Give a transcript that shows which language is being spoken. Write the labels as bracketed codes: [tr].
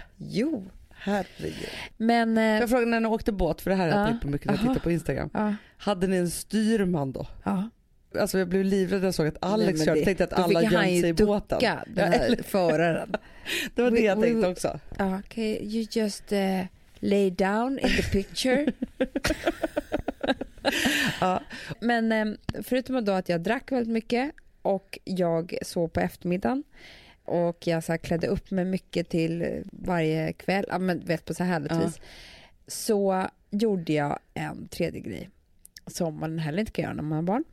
[sv] Jo, herregud. Men jag frågade när ni åkte båt, för det här är jag på mycket när jag tittar på Instagram. Hade ni en styrman då? Ja. Alltså jag blev livrädd när jag såg att Alex körde. Tänkte att alla gömde sig i båten. Då fick han ju ducka, den här föraren. Det var det jag tänkte också. [en] Okay, you just lay down in the picture. [sv] Men förutom då att jag drack väldigt mycket och jag sov på eftermiddagen och jag så här klädde upp mig mycket till varje kväll, men vet på så härligt vis, så gjorde jag en tredje grej som man heller inte kan göra när man har barn.